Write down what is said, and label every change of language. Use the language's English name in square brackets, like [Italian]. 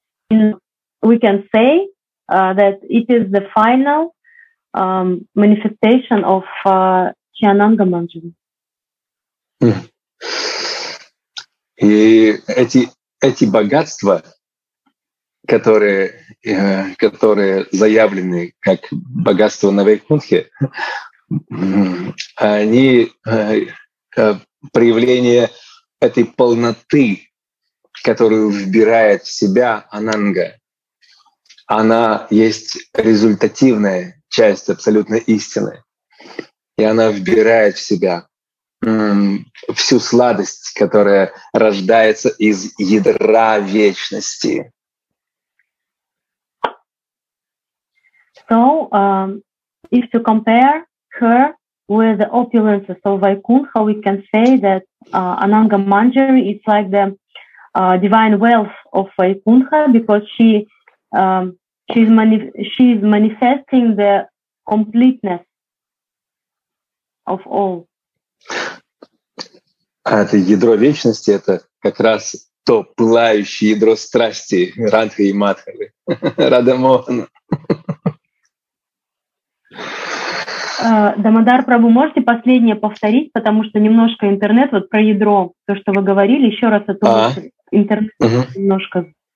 [English] We can say that it is the final manifestation of Chiananga Manjari. [Russian] И эти богатства, которые заявлены как богатство на Вайкунтхе, они проявление этой полноты, которую вбирает в себя Ананга. Она есть результативная часть абсолютной истины. И она вбирает в себя всю сладость, которая рождается из ядра вечности. [English] So, if to compare her with the opulences of Vaikuntha, we can say that Ananga Manjari is like the divine wealth of Vaikuntha, because she is manifesting the completeness of all. [Russian] А это ядро вечности, это как раз то пылающее ядро страсти Радхи и Мадхавы, Радамохана. Дамодар Прабху, можете последнее повторить, потому что немножко интернет, вот про ядро, то, что вы говорили, еще раз это интернет немножко.